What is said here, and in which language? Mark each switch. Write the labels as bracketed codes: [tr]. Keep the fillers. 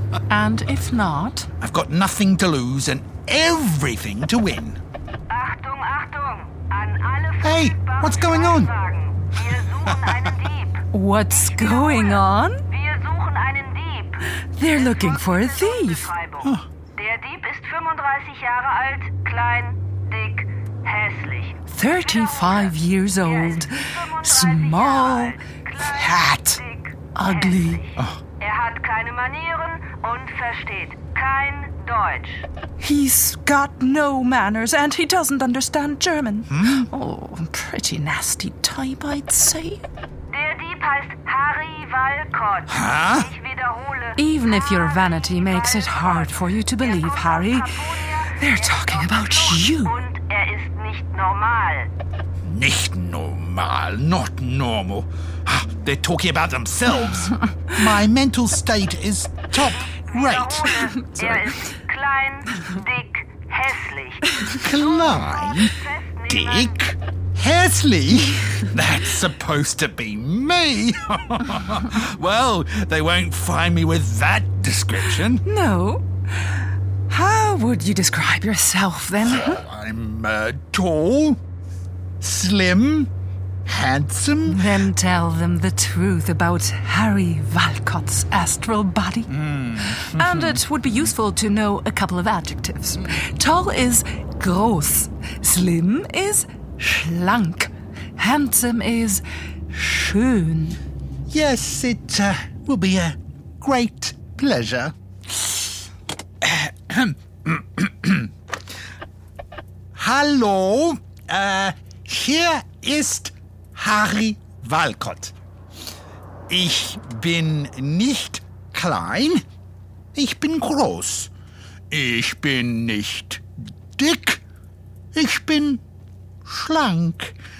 [en] And if not, I've got nothing to lose and everything to win. [de] Achtung, Achtung! An alle [en] Hey, [de] verfügbaren [en] what's going on? [de] Streifwagen. Wir suchen einen Dieb. [en] what's going on? [de] Wir suchen einen Dieb. [en] They're looking for a thief. [de] Beschreibung. Der Dieb ist 35 Jahre alt, klein, dick, hässlich. [en] 35 years old, small, Fat. [de] Dick, [en] ugly. [de] er hat keine Manieren und versteht kein Deutsch. [en] He's got no manners and he doesn't understand German. Oh, pretty nasty type, I'd say. [de] Der Dieb heißt Harry Walcott. Huh? Ich wiederhole. [en] Even if your vanity makes it hard for you to believe, Harry, they're talking about you. [de] Und er ist nicht normal. Nicht normal, [en] not normal. Ah, They're talking about themselves. My mental state is top rate. [de] Wiederhole, er ist klein, dick, hässlich. Klein, Festnehmen. [en] dick, Hesley. That's supposed to be me. well, they won't find me with that description. No. How would you describe yourself then? I'm uh, tall, slim, handsome. then tell them the truth about Harry Walcott's astral body. and it would be useful to know a couple of adjectives. Tall is groß, slim is schlank, handsome is schön. Yes, it uh, will be a great pleasure. [de] Hallo, äh, hier ist Harry Walcott. Ich bin nicht klein, ich bin groß. Ich bin nicht dick, ich bin schlank.